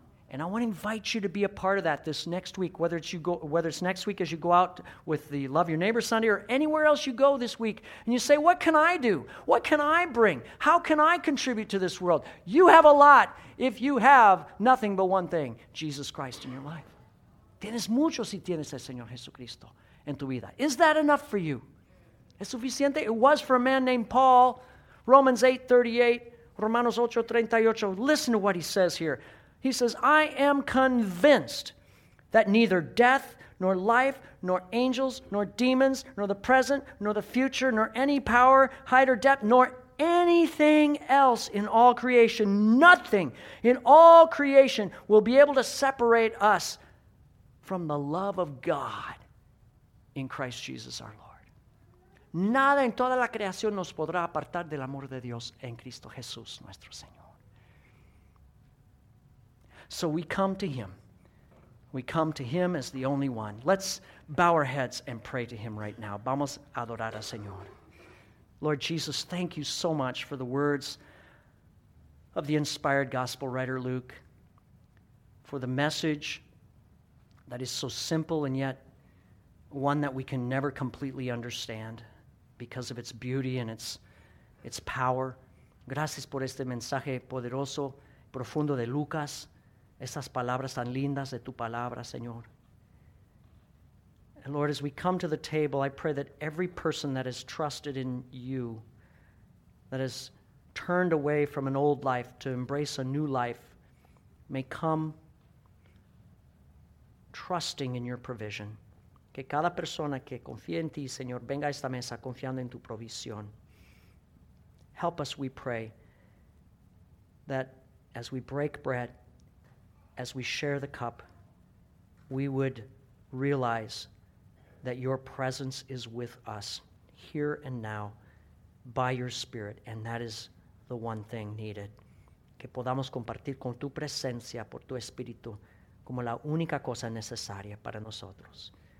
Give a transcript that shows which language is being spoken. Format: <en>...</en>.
<en>And I want to invite you to be a part of that this next week, whether it's next week as you go out with the Love Your Neighbor Sunday or anywhere else you go this week, and you say, what can I do? What can I bring? How can I contribute to this world? You have a lot if you have nothing but one thing, Jesus Christ in your life.</en> <es>Tienes mucho si tienes el Señor Jesucristo en tu vida.</es> <en>Is that enough for you?</en> <es>¿Es suficiente?</es> <en>It was for a man named Paul, Romans 8:38, Romanos 8:38. Listen to what he says here. He says, I am convinced that neither death, nor life, nor angels, nor demons, nor the present, nor the future, nor any power, height, or depth, nor anything else in all creation, nothing in all creation will be able to separate us from the love of God in Christ Jesus our Lord.</en> <es>Nada en toda la creación nos podrá apartar del amor de Dios en Cristo Jesús nuestro Señor.</es> <en>So we come to him. We come to him as the only one. Let's bow our heads and pray to him right now.</en> <es>Vamos a adorar al Señor.</es> <en>Lord Jesus, thank you so much for the words of the inspired gospel writer Luke, for the message that is so simple and yet one that we can never completely understand because of its beauty and its power.</en> <es>Gracias por este mensaje poderoso, profundo de Lucas. Esas palabras tan lindas de tu palabra, Señor.</es> <en>And Lord, as we come to the table, I pray that every person that has trusted in you, that has turned away from an old life to embrace a new life, may come trusting in your provision.</en> <es>Que cada persona que confía en ti, Señor, venga a esta mesa confiando en tu provisión.</es> <en>Help us, we pray, that as we break bread, as we share the cup, we would realize that your presence is with us here and now by your Spirit, and that is the one thing needed.</en> <es>Que podamos compartir con tu presencia, por tu Espíritu, como la única cosa necesaria para nosotros.</es>